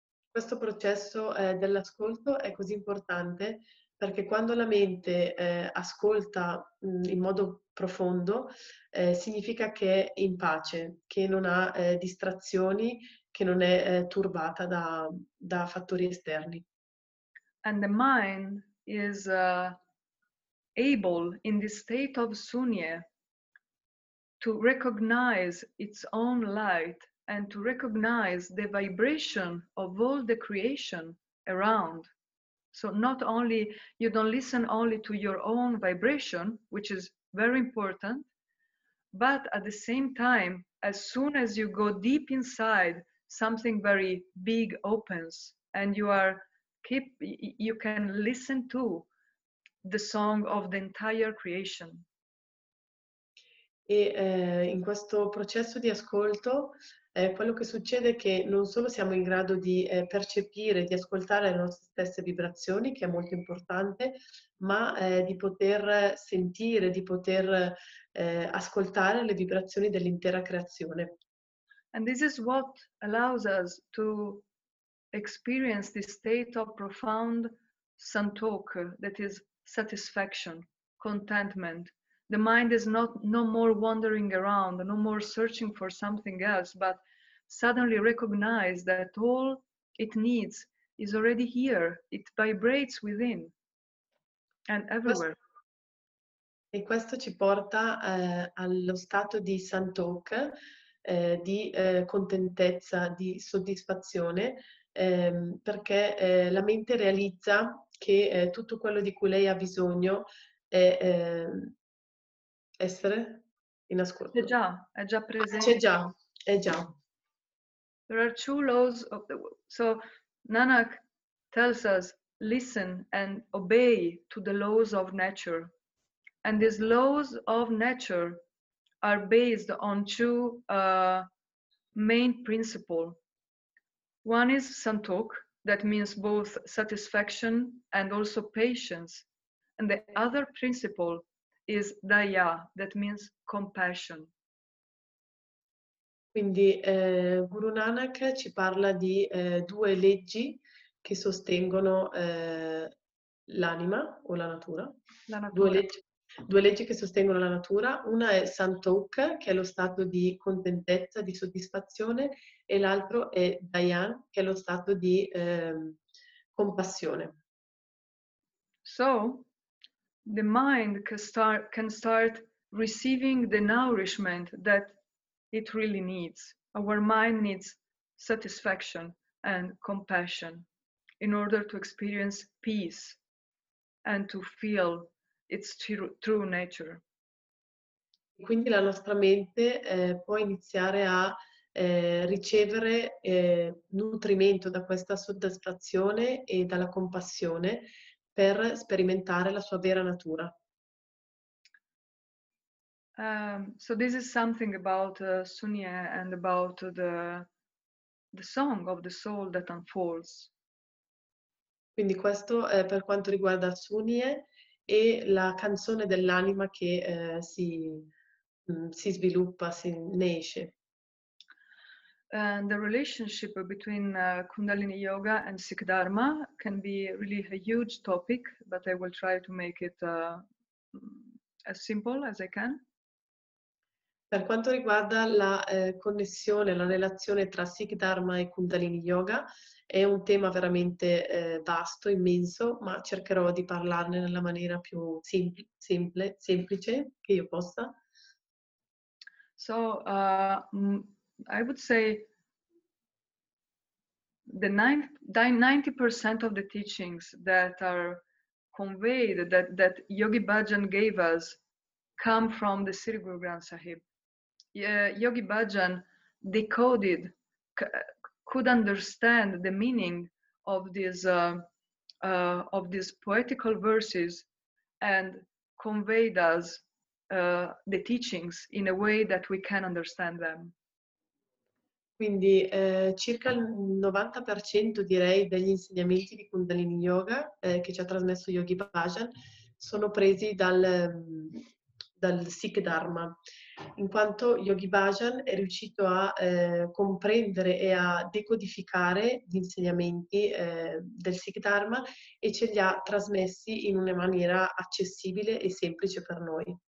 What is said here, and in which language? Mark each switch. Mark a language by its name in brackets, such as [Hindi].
[Italian] Questo processo dell'ascolto è così importante perché quando la mente ascolta in modo profondo, significa che è in pace, che non ha distrazioni, che non è turbata da fattori esterni. [English] And the mind is able in this state of sunye to recognize its own light and to recognize the vibration of all the creation around. So not only you don't listen only to your own vibration, which is very important, but at the same time, as soon as you go deep inside, something very big opens and you can listen to the song of the entire creation. [Italian] E in questo processo di ascolto quello che succede è che non solo siamo in grado di percepire, di ascoltare le nostre stesse vibrazioni, che è molto importante, ma di poter sentire, di poter ascoltare le vibrazioni dell'intera creazione. [English] And this is what allows us to experience this state of profound santok, that is satisfaction, contentment. The mind is no more wandering around, no more searching for something else, but suddenly recognize that all it needs is already here. It vibrates within and everywhere. [Italian] E questo ci porta allo stato di santok, di contentezza, di soddisfazione, perché la mente realizza che tutto quello di cui lei ha bisogno è essere in ascolto. È già presente. È già. [English] There are two laws of the world. So Nanak tells us, listen and obey to the laws of nature. And these laws of nature are based on two main principles. One is santok, that means both satisfaction and also patience. And the other principle is daya, that means compassion. [Italian] Quindi Guru Nanak ci parla di due leggi che sostengono l'anima o la natura. La natura. Due leggi che sostengono la natura. Una è santok, che è lo stato di contentezza, di soddisfazione, e l'altro è dayan, che è lo stato di compassione. [English] So, the mind can start receiving the nourishment that it really needs. Our mind needs satisfaction and compassion in order to experience peace and to feel its true nature. [Italian] Quindi la nostra mente può iniziare a ricevere nutrimento da questa soddisfazione e dalla compassione per sperimentare la sua vera natura. [English] So this is something about Sunya and about the song of the soul that unfolds. [Italian] Quindi questo è per quanto riguarda Sunya e la canzone dell'anima che si sviluppa, si nasce. [English] And the relationship between Kundalini Yoga and Sikh Dharma can be really a huge topic, but I will try to make it as simple as I can. [Italian] Per quanto riguarda la connessione, la relazione tra Sikh Dharma e Kundalini Yoga, è un tema veramente vasto, immenso, ma cercherò di parlarne nella maniera più semplice che io possa. [English] So, I would say the 90% of the teachings that are conveyed, that Yogi Bhajan gave us, come from the Sri Guru Granth Sahib. Yogi Bhajan decoded, could understand the meaning of these poetical verses and conveyed us the teachings in a way that we can understand them. [Italian] Quindi circa il 90% direi degli insegnamenti di Kundalini Yoga che ci ha trasmesso Yogi Bhajan sono presi dal Sikh Dharma, in quanto Yogi Bhajan è riuscito a comprendere e a decodificare gli insegnamenti del Sikh Dharma e ce li ha trasmessi in una maniera accessibile e semplice per noi.